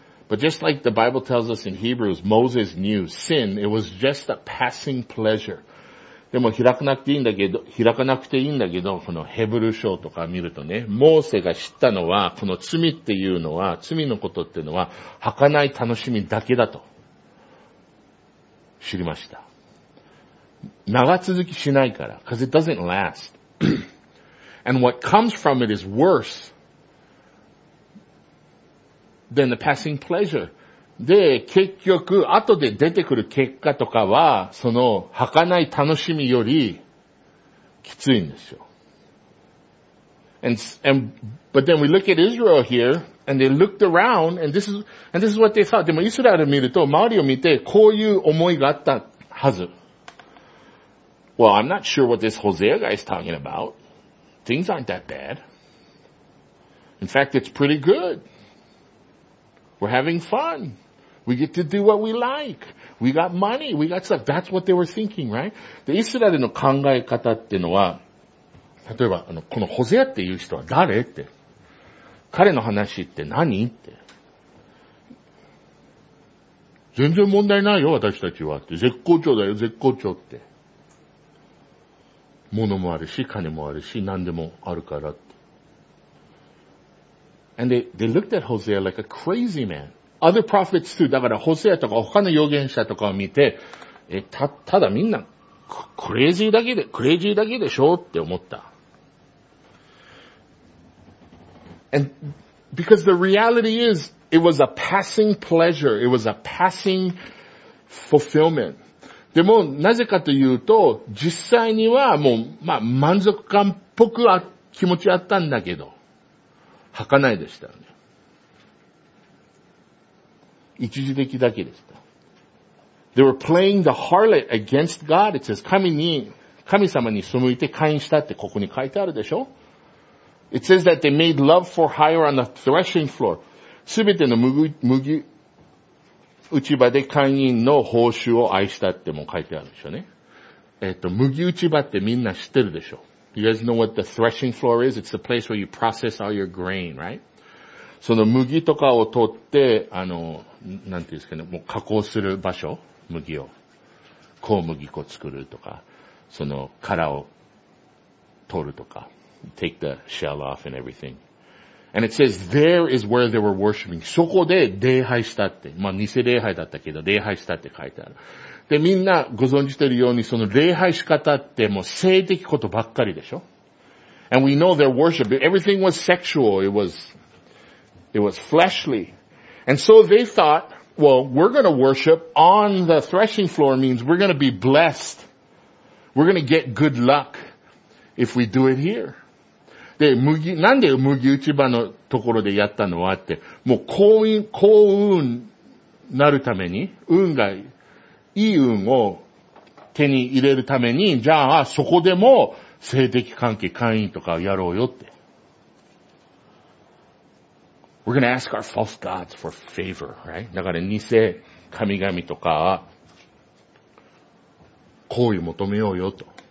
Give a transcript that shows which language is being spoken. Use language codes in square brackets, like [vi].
[en] But just like the Bible tells us in Hebrews, Moses knew sin, it was just a passing pleasure. [ja] でも開かなくていいんだけど、このヘブル書とか見るとね、モーセが知ったのは、この罪っていうのは、罪のことっていうのは、儚い楽しみだけだと。知りました。長続きしないから。 [en] Because it doesn't last. And what comes from it is worse than the passing pleasure. [ja] で、結局、後で出てくる結果とかは、その、儚い楽しみより、きついんですよ。 [en] And, but then we look at Israel here, and they looked around, and this is what they thought. [ja] でも、イスラエル見ると、周りを見て、こういう思いがあったはず。 [en] Well, I'm not sure what this Hosea guy is talking about. Things aren't that bad. In fact, it's pretty good. We're having fun. We get to do what we like. We got money. We got stuff. That's what they were thinking, right? [ja] で、イスラエルの考え方っていうのは、例えば、このホゼアっていう人は誰って。彼の話って何って。全然問題ないよ、私たちは。って絶好調だよ、絶好調って。物もあるし、金もあるし、何でもあるからって。 [en] And they looked at Hosea like a crazy man. Other prophets too. [ja] だから、ホゼアとか他の預言者とかを見て、ただみんな、クレイジーだけでしょって思った。 [en] And because the reality is, it was a passing pleasure. It was a passing fulfillment. [ja] でも、なぜかというと、実際にはもう、まあ、満足感っぽく気持ちあったんだけど、儚いでしたよね。一時的だけでした。 [en] They were playing the harlot against God. It says, [ja] 神様に背いて会員したってここに書いてあるでしょ? [en] It says that they made love for hire on the threshing floor. [ja] すべての麦打ち場で会員の報酬を愛したっても書いてあるでしょうね。麦打ち場ってみんな知ってるでしょ? [en] You guys know what the threshing floor is? It's the place where you process all your grain, right? [ja] その麦とかを取って、なんていうんですかね、もう加工する場所。麦を、こう麦粉作るとか、その殻を取るとか、 [en] take the shell off and everything. And it says, there is where they were worshiping. [ja] そこで礼拝したって。まあ、偽礼拝だったけど、礼拝したって書いてある。で、みんなご存知してるように、その礼拝し方ってもう性的ことばっかりでしょ [en] ?And we know their worship. Everything was sexual. It was fleshly. And so they thought,Well, we're going to worship on the threshing floor means we're going to be blessed. We're going to get good luck if we do it here. [ja] で、なんで麦打ち場のところでやったのはって、もう幸運なるために、運が、いい運を手に入れるために、じゃあそこでも性的関係、会員とかやろうよって。 [en] We're gonna ask our false gods for favor, right? [ja] だから偽神々とか、好意求めようよと。